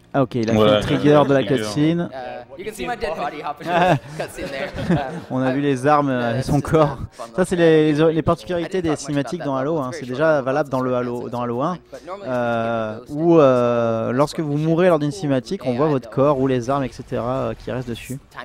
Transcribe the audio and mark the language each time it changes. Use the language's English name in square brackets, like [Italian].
[French] Ah, okay, il a fait le trigger de la cutscene. [English] You can see my dead body hop cutscene there. [French] On a vu les armes et son corps. Ça, c'est les particularités des cinématiques dans Halo. Hein. C'est déjà valable dans, le Halo, dans Halo 1. Où, lorsque vous mourrez lors d'une cinématique, on voit votre corps ou les armes, etc. qui restent dessus.